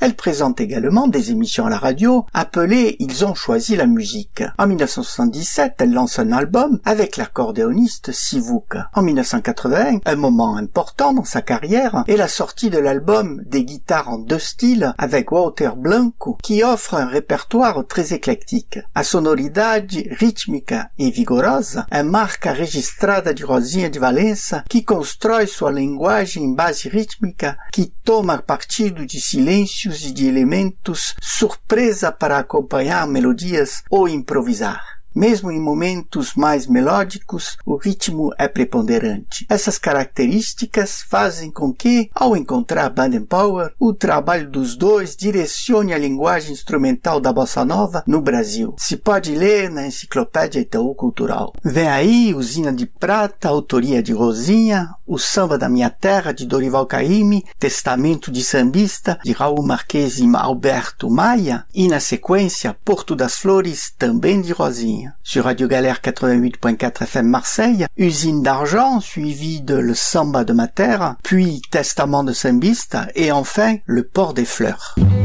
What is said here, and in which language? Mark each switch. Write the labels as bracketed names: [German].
[French] Elle présente également des émissions à la radio appelées « Ils ont choisi la musique ». En 1977, elle lance un album avec l'accordéoniste Sivuca. En 1980, un moment important dans sa carrière est la sortie de l'album des guitares en deux styles avec Walter Blanco qui offre un répertoire très éclectique. [Portuguese] A sonoridade rítmica e vigorosa é marca registrada de Rosinha de Valença que constrói sua linguagem em base rítmica que toma partido de silêncios e de elementos surpresa para acompanhar melodias ou improvisar. Mesmo em momentos mais melódicos, o ritmo é preponderante. Essas características fazem com que, ao encontrar Baden Powell, o trabalho dos dois direcione a linguagem instrumental da bossa nova no Brasil. Se pode ler na Enciclopédia Itaú Cultural. Vem aí Usina de Prata, autoria de Rosinha, O Samba da Minha Terra, de Dorival Caymmi, Testamento de Sambista, de Raul Marques e Alberto Maia, e na sequência, Porto das Flores, também de Rosinha. [French] Sur Radio Galère 88.4 FM Marseille, Usine d'Argent, suivi de Le Samba de ma Terre, puis Testament de Sambista, et enfin Le Port des Fleurs.